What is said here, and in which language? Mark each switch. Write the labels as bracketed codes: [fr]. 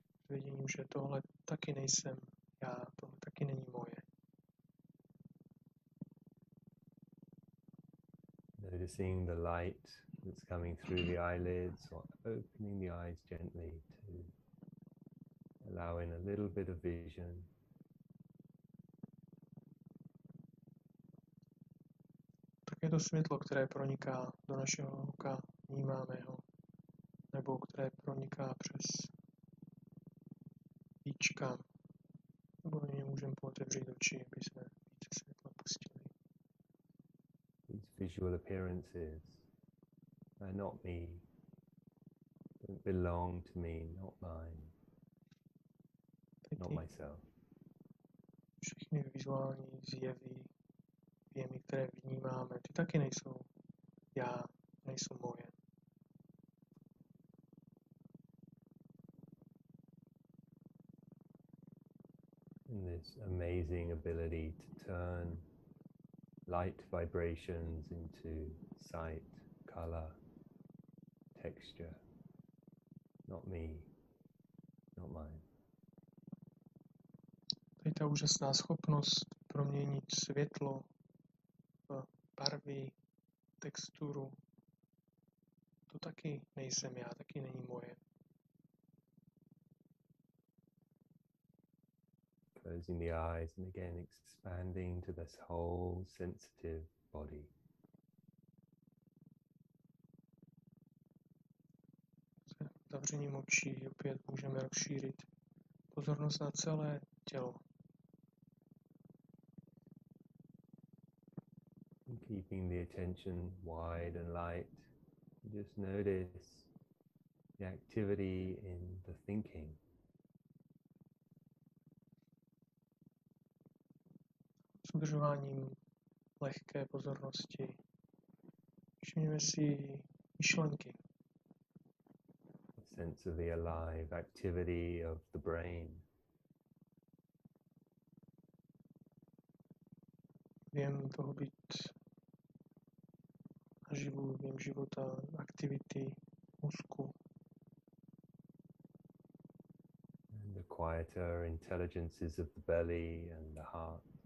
[cs] Vidím, že tohle taky nejsem já, tohle taky není moje. [en] Noticing the light that's coming through the eyelids or opening the eyes gently to allow in a little bit of vision. [cs] Je to světlo, které proniká do našeho oka, vnímáme ho, nebo které proniká přes víčka, nebo my můžeme pootevřít oči, aby jsme více světla pustili. [en] These visual appearances are not me, don't belong to me, not mine, not myself. [cs] Všechny vizuální zjevy, věmy, které vnímáme, ty taky nejsou já, nejsou moje. [en] And this amazing ability to turn light vibrations into sight, color, texture. Not me, not mine. [cs] To je ta úžasná schopnost proměnit světlo barvy, texturu, to taky nejsem já, taky není moje. [en] closing the eyes and again expanding to this whole sensitive body. [cs] Zavřením očí opět můžeme rozšířit pozornost na celé tělo. [en] Keeping the attention wide and light, just notice the activity in the thinking. [cs] S udržováním lehké pozornosti, všimněme si myšlenky. [en] A sense of the alive activity of the brain. [cs] Vím toho být živu, vím života, aktivity, mozku. [en] And the quieter intelligences of the belly and the heart.